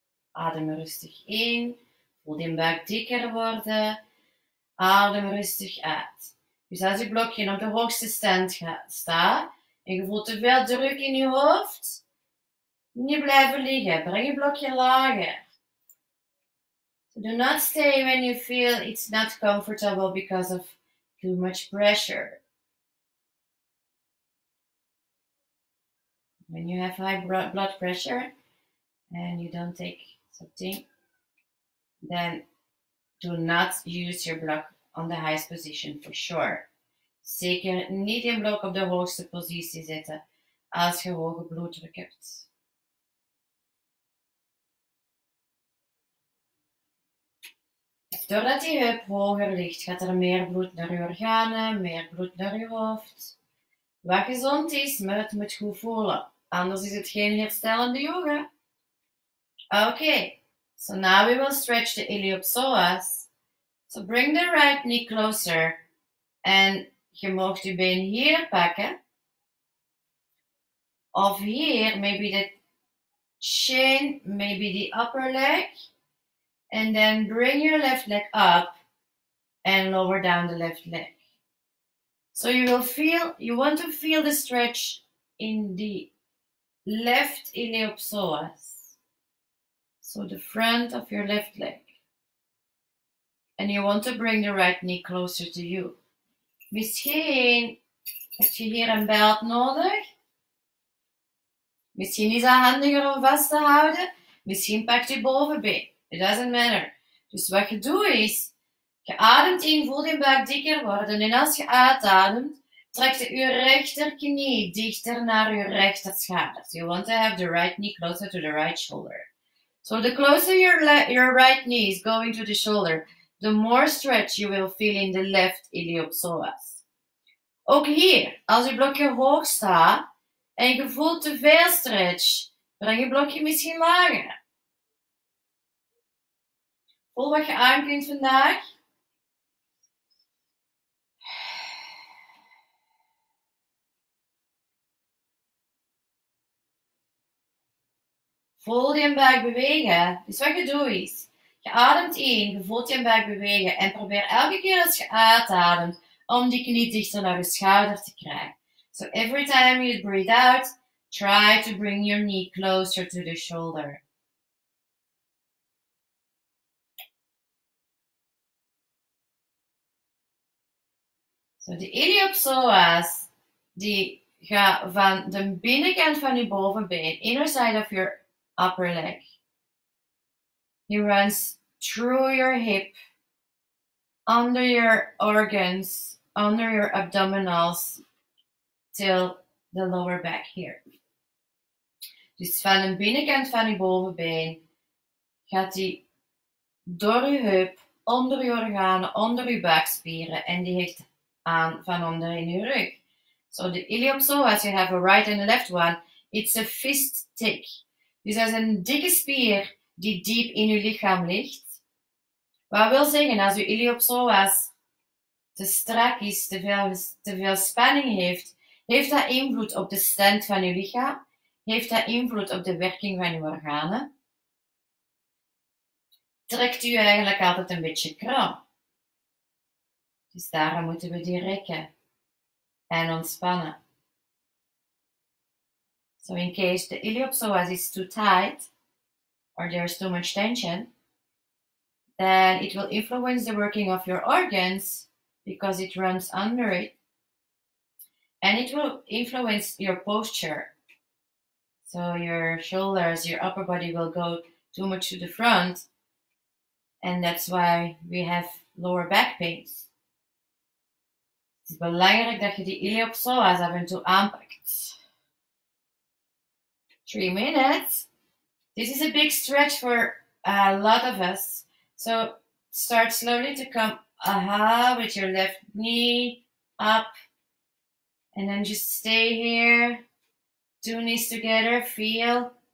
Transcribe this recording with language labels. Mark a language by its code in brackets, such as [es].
[nl] Adem rustig in. Voel je buik dikker worden. Adem rustig uit. Dus als je blokje op de hoogste stand staat en je voelt te veel druk in je hoofd, niet blijven liggen. Breng je blokje lager. [en] Do not stay when you feel it's not comfortable because of too much pressure. When you have high blood pressure and you don't take something, then do not use your block on the highest position, for sure. [nl] Zeker niet je blok op de hoogste positie zetten als je hoge bloeddruk hebt. doordat die heup hoger ligt, gaat er meer bloed naar je organen, meer bloed naar je hoofd. Wat gezond is, maar het moet goed voelen. Anders is het geen herstellende yoga. [en] Okay, so now we will stretch the iliopsoas. So bring the right knee closer. [nl] En je mag je been hier pakken. Of hier, [en] maybe the shin, maybe the upper leg. And then bring your left leg up and lower down the left leg. So you will feel, you want to feel the stretch in the left iliopsoas. So the front of your left leg. And you want to bring the right knee closer to you. [nl] Misschien heb je hier een belt nodig. Misschien is het handiger om vast te houden. Misschien pakt je bovenbeen. [en] It doesn't matter. [nl] Dus wat je doet is, je ademt in, voelt je buik dikker worden. En als je uitademt, trekt je rechterknie dichter naar je rechterschouder. [en] So you want to have the right knee closer to the right shoulder. So the closer your right knee is going to the shoulder, the more stretch you will feel in the left iliopsoas. [nl] Ook hier, als je blokje hoog staat en je voelt te veel stretch, breng je blokje misschien lager. Voel wat je aan kunt vandaag. Voel je buik bewegen. Dus wat je doet is, je ademt in, je voelt je buik bewegen en probeer elke keer als je uitademt om die knie dichter naar je schouder te krijgen. [en] So every time you breathe out, try to bring your knee closer to the shoulder. [nl] So the iliopsoas, die gaat van de binnenkant van je bovenbeen, [en] inner side of your upper leg. He runs through your hip, under your organs, under your abdominals, till the lower back here. [nl] Dus van de binnenkant van je bovenbeen gaat die door je heup, onder je organen, onder je buikspieren en die hecht aan van onder in je rug. [en] So the iliopsoas, you have a right and a left one, it's a fist tick. [nl] Dus dat is een dikke spier die diep in je lichaam ligt. Wat wil zeggen, als je iliopsoas te strak is, te veel spanning heeft, heeft dat invloed op de stand van je lichaam? Heeft dat invloed op de werking van je organen? Trekt u eigenlijk altijd een beetje kram? Dus daarom moeten we die rekken en ontspannen. [en] So in case the iliopsoas is too tight or there's too much tension, then it will influence the working of your organs because it runs under it. And it will influence your posture. So your shoulders, your upper body will go too much to the front. And that's why we have lower back pains. [nl] Het is belangrijk dat je die iliopsoas af en toe aanpakt. [en] 3 minutes. This is a big stretch for a lot of us. So start slowly to come with your left knee up. And then just stay here, 2 knees together, feel.